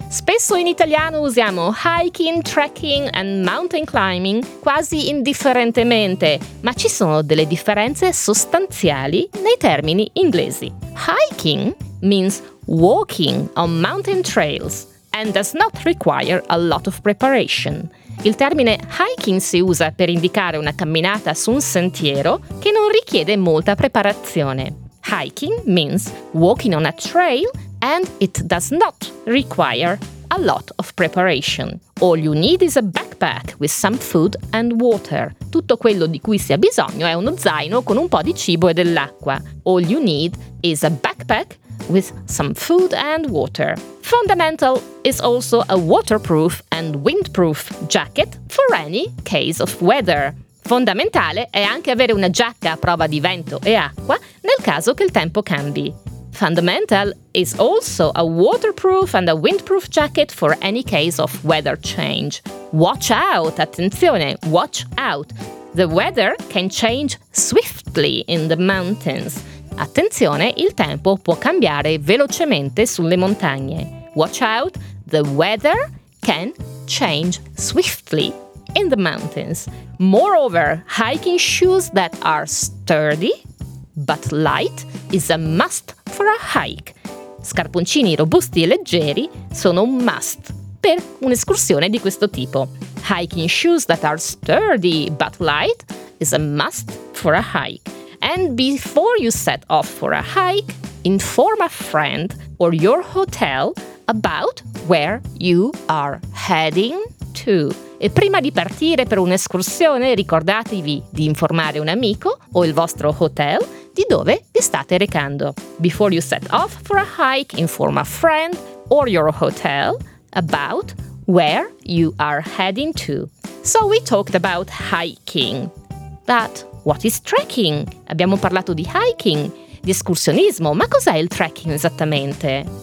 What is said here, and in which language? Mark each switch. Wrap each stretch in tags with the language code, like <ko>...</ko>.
<it>Spesso in italiano usiamo</it> <en>hiking, trekking and mountain climbing</en> <it>quasi indifferentemente, ma ci sono delle differenze sostanziali nei termini inglesi.</it> <en>Hiking means walking on mountain trails and does not require a lot of preparation.</en> <it>Il termine hiking si usa per indicare una camminata su un sentiero che non richiede molta preparazione.</it> <en>Hiking means walking on a trail and it does not require a lot of preparation. All you need is a backpack with some food and water.</en> <it>Tutto quello di cui si ha bisogno è uno zaino con un po' di cibo e dell'acqua.</it> <en>All you need is a backpack with some food and water. Fundamental is also a waterproof and windproof jacket for any case of weather.</en> <it>Fondamentale è anche avere una giacca a prova di vento e acqua nel caso che il tempo cambi.</it> <en>Fundamental is also a waterproof and a windproof jacket for any case of weather change. Watch out! Attenzione! Watch out! The weather can change swiftly in the mountains.</en> <it>Attenzione, il tempo può cambiare velocemente sulle montagne.</it> <en>Watch out, the weather can change swiftly in the mountains. Moreover, hiking shoes that are sturdy but light is a must for a hike.</en> <it>Scarponcini robusti e leggeri sono un must per un'escursione di questo tipo.</it> <en>Hiking shoes that are sturdy but light is a must for a hike. And before you set off for a hike, inform a friend or your hotel about where you are heading to.</en> <it>E prima di partire per un'escursione, ricordatevi di informare un amico o il vostro hotel di dove vi state recando.</it> <en>Before you set off for a hike, inform a friend or your hotel about where you are heading to. So we talked about hiking, but what is trekking?</en> <it>Abbiamo parlato di hiking, di escursionismo, ma cos'è il trekking esattamente?</it>